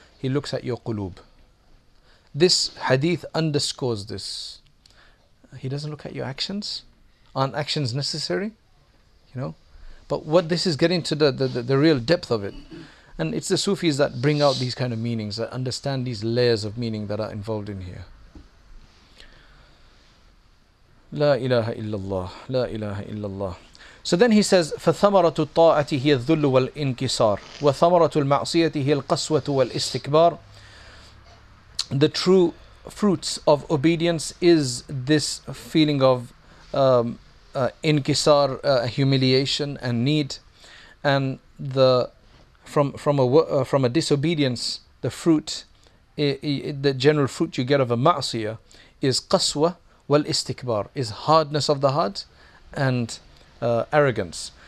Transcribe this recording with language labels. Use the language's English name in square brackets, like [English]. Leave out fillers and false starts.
[English] He looks at your qulub. This hadith underscores this. He doesn't look at your actions. Aren't actions necessary? You know? But what this is getting to the real depth of it. And it's the Sufis that bring out these kind of meanings, that understand these layers of meaning that are involved in here. [Arabic] لا إله إلا الله لا إله إلا الله. [English] So then he says, [Arabic] فثمرة الطاعة هي الذل والانكسار وثمرة المعصية هي القسوة والاستكبار. [English] The true fruits of obedience is this feeling of انكسار, humiliation and need, and the from a disobedience, the fruit, the general fruit you get of a ma'siyah is [Arabic] qaswa wal istikbar, [English] is hardness of the heart and arrogance.